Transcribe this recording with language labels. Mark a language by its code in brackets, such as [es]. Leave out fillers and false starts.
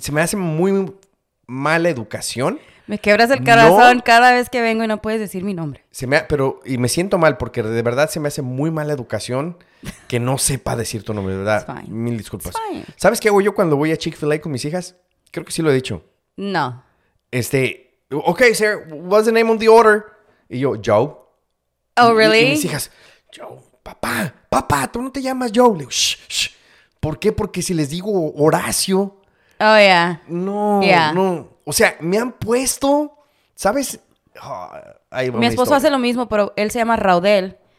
[es] Se me hace muy, muy mala educación. Me quebras el corazón cada vez que vengo y no puedes decir mi nombre. Y me siento mal porque de verdad se me hace muy mala educación que no sepa decir tu nombre, ¿verdad? Mil disculpas. ¿Sabes qué hago yo cuando voy a Chick-fil-A con mis hijas? Creo que sí lo he dicho. No. [en] Okay, sir, what's the name on the order? [es] Y yo, Joe. [en] Oh, really? [es] Y mis hijas, Joe, papá, tú no te llamas Joe. Le digo, shh, shh. ¿Por qué? Porque si les digo Horacio. [en] Oh, yeah. [es] No, yeah. No. O sea, me han puesto, ¿sabes? Oh, ahí va mi esposo historia. Hace lo mismo, pero él se llama Raudel.